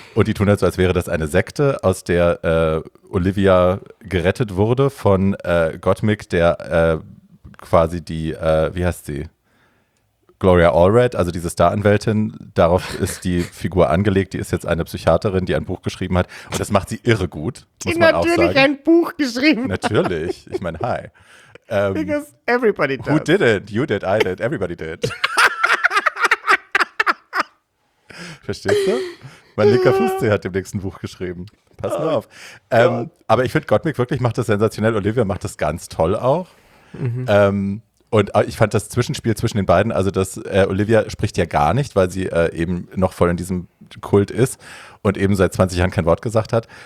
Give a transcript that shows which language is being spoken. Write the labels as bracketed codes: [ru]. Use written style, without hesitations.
[de] Und die tun halt so, als wäre das eine Sekte, aus der Olivia gerettet wurde von Gottmik, der quasi die, wie heißt sie? Gloria Allred, also diese Star-Anwältin, darauf ist die Figur angelegt. Die ist jetzt eine Psychiaterin, die ein Buch geschrieben hat. Und das macht sie irre gut. Die muss man natürlich auch sagen. Ein Buch geschrieben hat. Natürlich. Ich meine, hi. [en] Because everybody does. Who did it? You did, I did, everybody did. [de] Verstehst du? Mein linker Fuß hat dem nächsten Buch geschrieben. Pass mal auf. Aber ich finde, Gottmik wirklich macht das sensationell. Olivia macht das ganz toll auch. Mhm. Und ich fand das Zwischenspiel zwischen den beiden, also dass Olivia spricht ja gar nicht, weil sie eben noch voll in diesem Kult ist und eben seit 20 Jahren kein Wort gesagt hat.